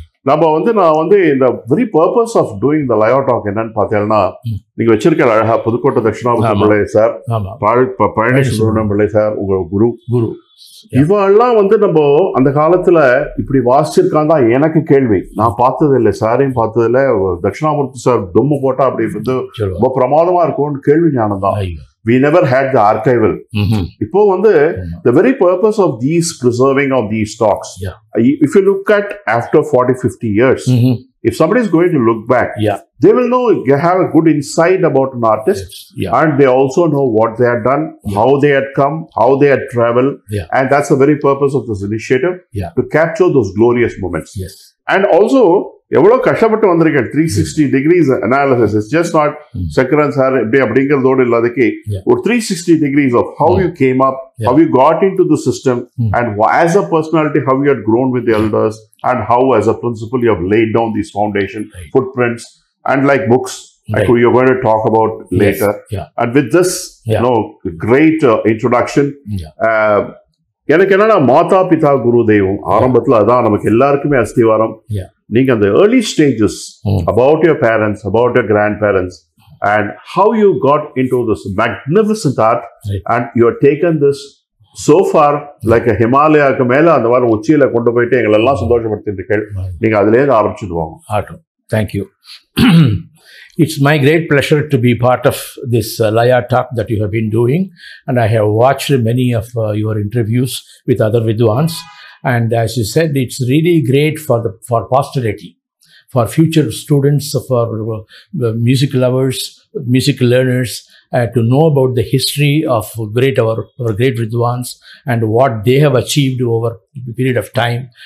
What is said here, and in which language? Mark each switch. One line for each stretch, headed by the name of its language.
Tamil: நம்ம வந்து நான் வந்து இந்த
English: very purpose of doing the
Tamil: லயோ டாக் என்னன்னு பார்த்தேன்னா, நீங்க வச்சிருக்கிற அழகா புதுக்கோட்டை தட்சிணாபுரம்பிள்ளை சார், பழனிசுப்ரமணியம்பிள்ளை சார், உங்க குரு இவெல்லாம் வந்து நம்ம அந்த காலத்துல இப்படி வாசிச்சிருக்காங்கதான் எனக்கு கேள்வி. நான் பார்த்தது இல்லை, சாரையும் பார்த்தது இல்லை. தட்சிணாமூர்த்தி சார் தொம்மு போட்டா அப்படின்றது ரொம்ப பிரமாதமா இருக்கும்னு கேள்வி ஞானம் தான்.
English: We never had the archival.
Tamil: Ippo vandu
English: the very purpose of these preserving of these talks, if you look at after 40-50 years, if somebody is going to look back, they will know, you have a good insight about an artist, and they also know what they had done, how they had come, how they had traveled, and that's the very purpose of this initiative, to capture those glorious moments. And also,
Tamil: எவ்வளவு கஷ்டப்பட்டு வந்திருக்கேன்.
English: 360 degrees analysis is just not சக்கரன் sir
Tamil: எப்படி அப்படிங்கிறதோடு இல்லாதக்கு ஒரு
English: 360 degrees of how you came up, how you got into the system, and as a personality how you had grown with elders, and how as a principal you have laid down these foundation footprints and like books Like we are going to talk about later. And with this, you know, great introduction.
Tamil: எனக்கு என்னன்னா, மாதா பிதா குரு தெய்வம் ஆரம்பத்தில் அதான் நமக்கு எல்லாருக்குமே அஸ்திவாரம். நீங்க அந்த
English: early stages about your parents, about your grand parents, and how you got into this magnificent art, and you have taken this so far like
Tamil: ஹிமாலயாவுக்கு மேல அந்த மாதிரி உச்சியில கொண்டு போயிட்டு எங்களை எல்லாம் சந்தோஷப்படுத்திருக்கீங்க. நீங்க அதுலேருந்து ஆரம்பிச்சுடுவாங்க.
English: Auto, thank you. It's my great pleasure to be part of this Laya talk that you have been doing, and I have watched many of your interviews with other Vidwans. And as you said, it's really great for the posterity, for future students, for music lovers, music learners, to know about the history of great our great Vidwans and what they have achieved over a period of time.